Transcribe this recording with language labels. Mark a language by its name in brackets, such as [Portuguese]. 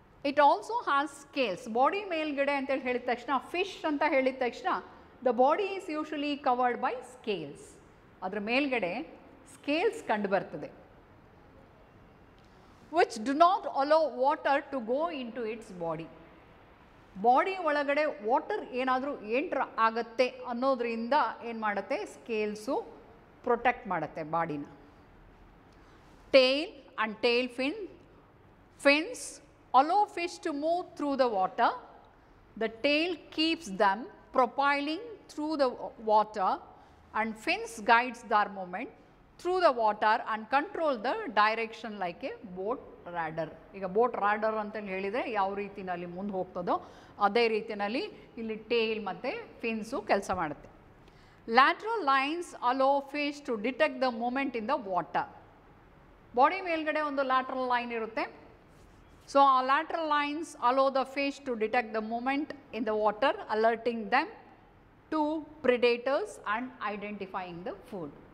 [English] It also has scales. [Kannada] Body ಮೇಲ್ಗಡೆ ಅಂತೇಳಿ ಹೇಳಿದ ತಕ್ಷಣ [English] fish ಅಂತ ಹೇಳಿದ ತಕ್ಷಣ the body is usually covered by scales, [Kannada] ಅದರ ಮೇಲ್ಗಡೆ ಸ್ಕೇಲ್ಸ್ ಕಂಡು ಬರ್ತದೆ [English] Which do not allow water to go in to its body. [Kannada] Body ಒಳಗಡೆ ವಾಟರ್ ಏನಾದರೂ ಎಂಟ್ರ್ ಆಗುತ್ತೆ ಅನ್ನೋದ್ರಿಂದ ಏನು ಮಾಡುತ್ತೆ ಸ್ಕೇಲ್ಸು ಪ್ರೊಟೆಕ್ಟ್ ಮಾಡುತ್ತೆ ಬಾಡಿನ. [English] Tail and tail fin, fins allow fish to move through the water. The tail keeps them propelling through the water and fins guides their movement through the water and control the direction like a boat rudder. [Kannada] ಈಗ boat radar ಅಂತ ಹೇಳಿದರೆ ಯಾವ ರೀತಿಯಲ್ಲಿ ಮುಂದೆ ಹೋಗ್ತದೋ ಅದೇ ರೀತಿಯಲ್ಲಿ ಇಲ್ಲಿ tail ಮತ್ತು ಫಿನ್ಸು ಕೆಲಸ ಮಾಡುತ್ತೆ. [English] Lateral lines allow fish to detect the movement in the water. [Kannada] Body ಮೇಲ್ಗಡೆ ಒಂದು ಲ್ಯಾಟ್ರಲ್ ಲೈನ್ ಇರುತ್ತೆ. [English] So our lateral lines allow the fish to detect the movement in the water, alerting them to predators and identifying the food.